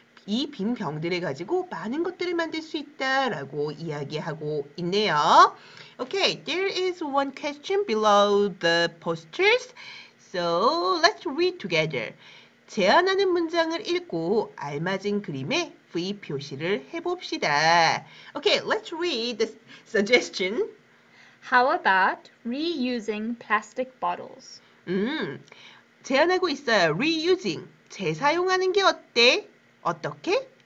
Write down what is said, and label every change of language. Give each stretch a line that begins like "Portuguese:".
Korean: 이 빈 병들을 가지고 많은 것들을 만들 수 있다라고 이야기하고 있네요.
English: Okay, there is one question below the posters. So, let's read together.
Korean: 제안하는 문장을 읽고 알맞은 그림에 V 표시를 해봅시다.
English: Okay, let's read the suggestion. How about reusing plastic bottles?
Korean: 제안하고 있어요. Reusing, 재사용하는 게 어때? 어떻게?